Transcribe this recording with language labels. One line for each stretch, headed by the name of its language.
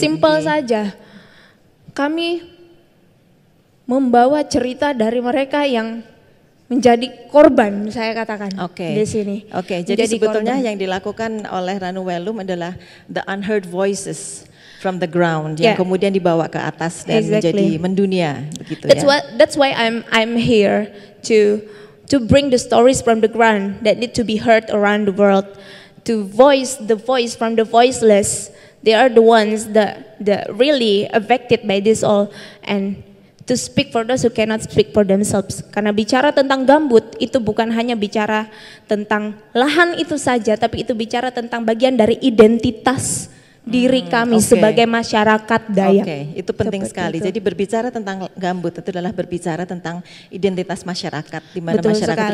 Indonesian: Simple saja, kami membawa cerita dari mereka yang menjadi korban, saya katakan di sini. Oke, jadi sebetulnya korban yang dilakukan oleh Ranu Welum adalah
English: the unheard voices from the ground
Indonesian: yang kemudian dibawa ke atas dan menjadi mendunia begitu.
English: That's why I'm here to bring the stories from the ground that need to be heard around the world, to voice the voice from the voiceless. They are the ones that really affected by this all, and to speak for those who cannot speak for themselves.
Indonesian: Karena bicara tentang gambut itu bukan hanya bicara tentang lahan itu saja, tapi itu bicara tentang bagian dari identitas diri kami sebagai masyarakat Dayak. Itu penting seperti sekali. Itu. Jadi berbicara tentang gambut itu adalah berbicara tentang identitas masyarakat, di mana masyarakat